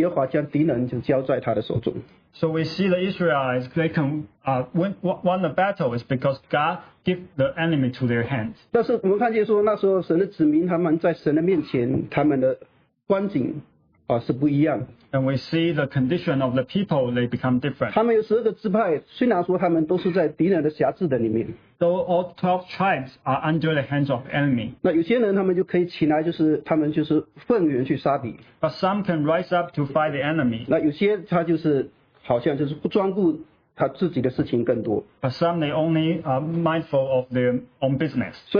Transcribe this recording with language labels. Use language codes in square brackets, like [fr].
[zh] 所以我们看见说，这个以色列人他们能够得胜，乃是耶和华将敌人就交在他的手中。 [en] So we see the Israelites they can win the battle is because God give the enemy to their hands. [zh] 但是我们看见说，那时候神的子民他们在神的面前，他们的光景是不一样。 [en] And we see the condition of the people, they become different. [zh] 他们有十二个支派，虽然说他们都是在敌人的辖制的里面。 [en] Though all 12 tribes are under the hands of enemy. [zh] 那有些人他们就可以起来，就是他们就是奋勇去杀敌。 [en] But some can rise up to fight the enemy. [zh] 那有些他就是好像就是不专顾。他自己的事情更多。 [en] But some they only are mindful of their own business.